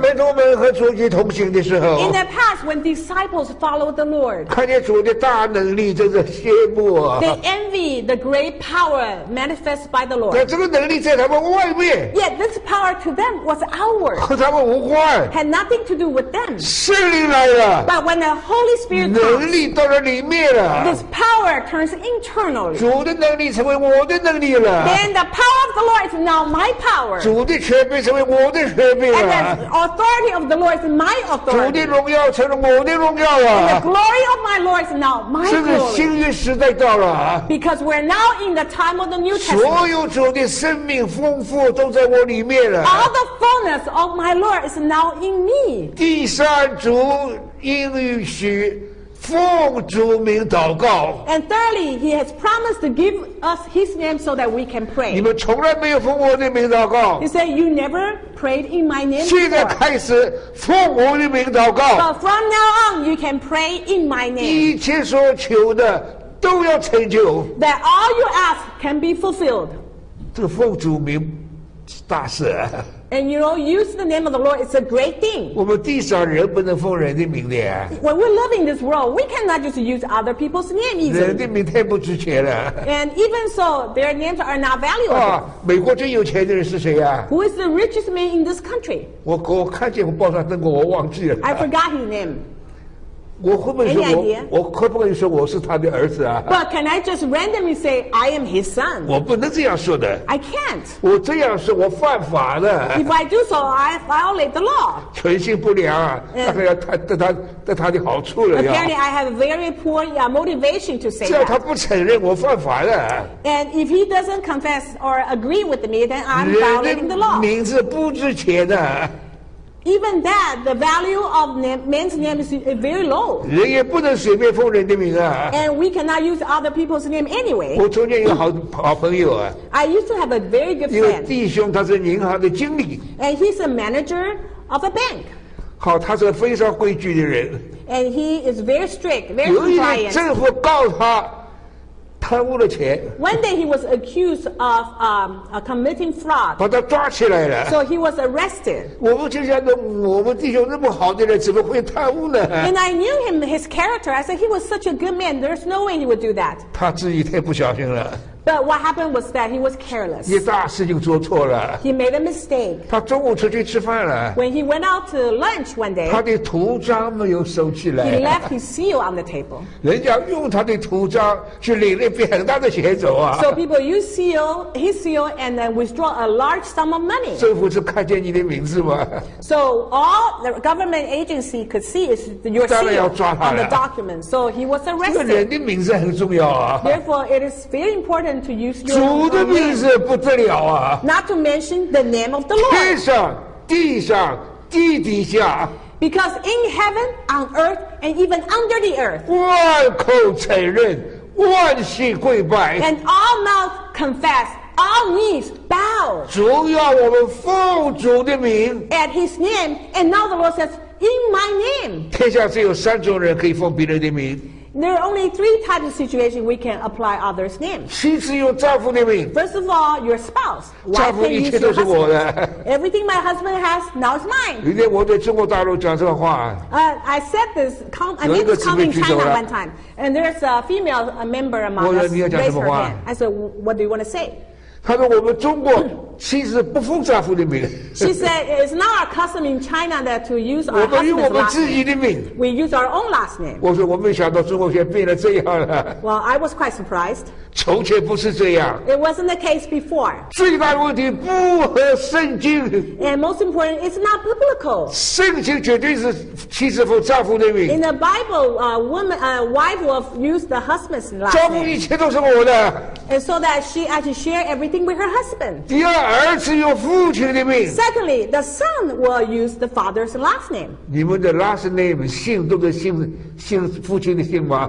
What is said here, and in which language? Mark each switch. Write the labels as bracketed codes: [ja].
[zh] 从门徒们和主基督同行的时候。 [en] In the past, when disciples followed the Lord. [zh] 看见主的大能力，真是羡慕啊。 [en] They envy the great power manifest by the Lord. [zh] 但这个能力在他们外面。 [en] Yet this power to them was outward. [zh] 和他们无关。 [en] Had nothing to do with them. [zh] 圣灵来了。 [en] But when the Holy Spirit comes. [zh] 能力到了里面了。 [en] This power turns internally. [zh] 主的能力成为我的能力了。 [en] Then the power of the Lord is now my power. [zh] 主的权柄成为我的权柄了。 [en] And the authority of the Lord is my authority. [zh] 主的荣耀成了我的荣耀了。 [en] And the glory of my Lord is now my glory. [zh] 这个新约时代到了。 [en] Because we're now in the time of the New Testament. [zh] 所有主的生命丰富都在我里面了。 [en] All the fullness of my Lord is now in me. [zh] 第三，主应许。奉主名祷告。 [en] And thirdly, he has promised to give us his name so that we can pray. [zh] 你们从来没有奉我的名祷告。 [en] He said, you never prayed in my name before. [zh] 现在开始奉我的名祷告。 [en] But from now on, you can pray in my name. [zh] 一切所求的都要成就。 [en] That all you ask can be fulfilled. [zh] 这个奉主名大事啊。 [en] And you know, use the name of the Lord is a great thing. [zh] 我们地上人不能奉人的名的呀。 [en] When we live in this world, we cannot just use other people's name either. [zh] 人的名太不值钱了。 [en] And even so, their names are not valuable. [zh] 啊，美国最有钱的人是谁呀？ [en] Who is the richest man in this country? [zh] 我看见我报上登过，我忘记了。 [en] I forgot his name. [zh] 我会不会说我可不可以说我是他的儿子啊？ [en] But can I just randomly say I am his son? [zh] 我不能这样说的。 [en] I can't. [zh] 我这样说我犯法的。 [en] If I do so, I violate the law. [zh] 存心不良啊，大概要他的好处了。 [en] Apparently, I have very poor motivation to say that. [zh] 只要他不承认我犯法的。 [en] And if he doesn't confess or agree with me, then I'm violating the law. [zh] 人的名字不值钱的。 [en] Even that, the value of man's name is very low. [zh] 人也不能随便奉人的名啊。 [en] And we cannot use other people's name anyway. [zh] 我从前有好朋友啊。 [en] I used to have a very good friend. [zh] 一个弟兄，他是银行的经理。 [en] And he's a manager of a bank. [zh] 好，他是非常规矩的人。 [en] And he is very strict, very compliant. [zh] 由于政府告他。贪污了钱。 [en] One day he was accused of committing fraud. [zh] 把他抓起来了。 [en] So he was arrested. [zh] 我们就想着我们弟兄那么好的人怎么会贪污呢 [en] ？And I knew him, his character. I said he was such a good man. There's no way he would do that. [zh] 他自己太不小心了。 [en] But what happened was that he was careless. [zh] 一大事就做错了。 [en] He made a mistake. [zh] 他中午出去吃饭了。 [en] When he went out to lunch one day, [zh] 他的图章没有收起来。 [en] He left his seal on the table. [zh] 人家用他的图章去领了一笔很大的钱走啊。 [en] So people use seal, his seal, and then withdraw a large sum of money. [zh] 政府是看见你的名字吗 [en] ？So all the government agency could see is your seal. [zh] 当然要抓他了。 [en] On the document, so he was arrested. [zh] 这个人的名字很重要啊。 [en] Therefore, it is very important. To use your [zh] 主的名字不得了啊 [en] ！Not to mention the name of the Lord. [zh] 天上、地上、地底下。 [en] Because in heaven, on earth, and even under the earth, [zh] 万口承认，万心跪拜。 [en] And all mouth confess, all knees bow. [zh] 主要我们奉主的名。 [en] At His name, and now the Lord says, "In my name." [zh] 天下只有三种人可以奉别人的名。 [en] There are only three types of situations we can apply others' names. [zh] 妻子用丈夫的名。 [en] First of all, your spouse. [zh] 丈夫一切都是我的。 [en] Everything my husband has now is mine. [zh] 今天我对中国大陆讲这个话。 [en] I said this. I made this comment in China one time, and there's a female a member among us raised her hand. I said, "What do you want to say?" [zh] 她说我们中国妻子不奉丈夫的名。 [en] She said, "It's not our custom in China that to use our husband's last name." [zh] 我们用我们自己的名。 [en] We use our own last name. [zh] 我说我没想到中国现在变得这样了。 [en] Well, I was quite surprised. [zh] 从前不是这样。 [en] It wasn't the case before. [zh] 最大的问题不合圣经。 [en] And most important, it's not biblical. [zh] 圣经绝对是妻子奉丈夫的名。 [en] In the Bible, wife will use the husband's last name. [zh] 丈夫一切都是我的。 [en] And so that she has to share everything with her husband. [zh] 第二。儿子有父亲的名。 [en] Secondly, the son will use the father's last name. [zh] 你们的 [en] last name [zh] 姓都是姓父亲的姓吗